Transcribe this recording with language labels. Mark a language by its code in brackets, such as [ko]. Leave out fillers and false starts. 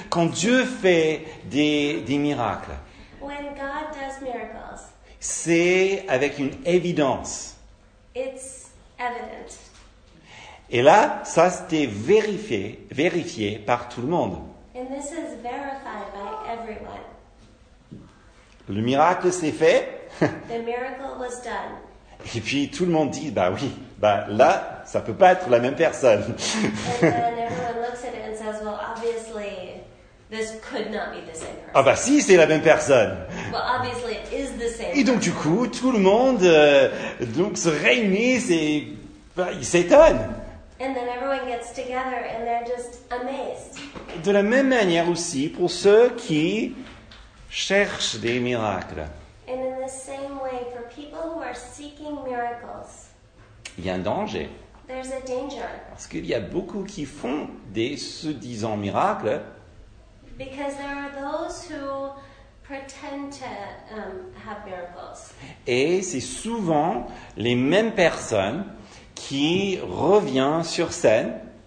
[fr] Quand Dieu fait des miracles, [en] when God does miracles, [fr] c'est avec une évidence. [en] It's evident. [fr] Et là, ça c'était vérifié par tout le monde. [en] And this is verified by everyone. [fr] Le miracle s'est fait. [en] The miracle was done. [fr] Et puis tout le monde dit, bah oui, bah là, ça peut pas être la même personne. [en] And then everyone looks at it and says, well, obviously, this could not be the same person. [fr] Ah bah si, c'est la même personne. [en] Well, obviously, it is the same. [fr] Et donc du coup, tout le monde donc se réunit et bah, ils s'étonnent. [en] And then everyone gets together and they're just amazed. [fr] De la même manière aussi pour ceux qui cherchent des miracles. [en] And in the same way for people who are seeking miracles. [fr] Il y a un danger. [en] There's a danger. [fr] Parce qu'il y a beaucoup qui font des soi-disant miracles. [en] Because there are those who pretend to have miracles. [fr] Et c'est souvent les mêmes personnes qui reviennent sur scène.